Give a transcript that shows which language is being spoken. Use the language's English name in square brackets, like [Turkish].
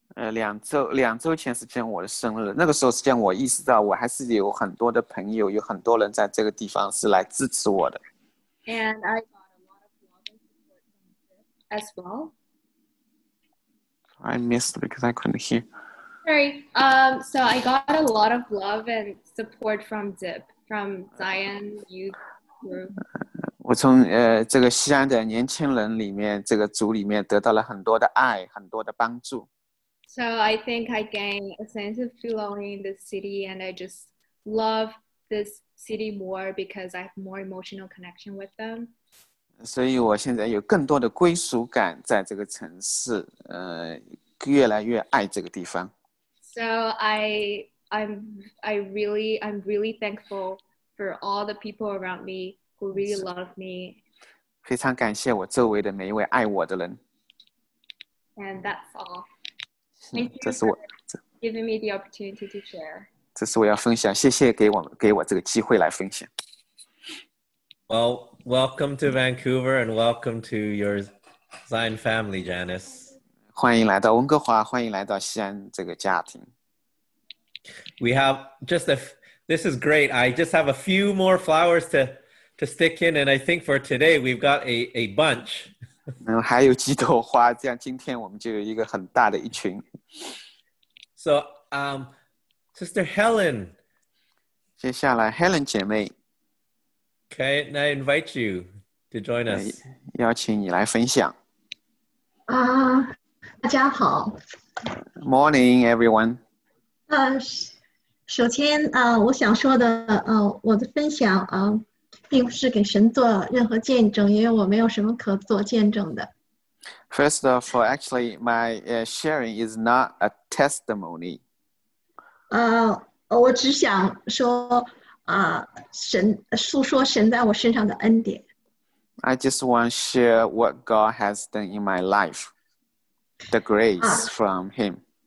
[Chinese] 两周前是见我的生日，那个时候是见我意识到我还是有很多的朋友，有很多人在这个地方是来支持我的。 [English] And I got a lot of support as well. I missed because I couldn't hear. Sorry. So I got a lot of love and support from Zip, from Zion Youth Group. [Chinese] 我从这个西安的年轻人里面，这个组里面得到了很多的爱，很多的帮助。 [English] So I think I gained a sense of belonging in this city, and I just love this city more because I have more emotional connection with them. [Chinese] 所以我现在有更多的归属感在这个城市，越来越爱这个地方。 [English] So I'm really thankful for all the people around me who really love me. [Chinese] 非常感谢我周围的每一位爱我的人。 [English] And that's all. Thank you for giving me the opportunity to share. [Chinese] 这是我要分享，谢谢给我这个机会来分享。 [English] Well, welcome to Vancouver and welcome to your Zion family, Janice. [Chinese] 欢迎来到温哥华，欢迎来到西安这个家庭。 [English] We have this is great. I just have a few more flowers to stick in, and I think for today we've got a bunch. [Chinese] 还有几朵花，这样今天我们就有一个很大的一群。 [English] So, Sister Helen. [Chinese] 接下来 Helen 姐妹。 [English] Okay, and I invite you to join us. [Chinese] 邀请你来分享。大家好。 [English] Morning, everyone. [Chinese] 首先我想说的我的分享并不是给神做任何见证，因为我没有什么可做见证的。 [English] First of all, actually, my sharing is not a testimony. [Chinese] 我只想说神诉说神在我身上的恩典。 [English] I just want to share what God has done in my life, the grace from Him.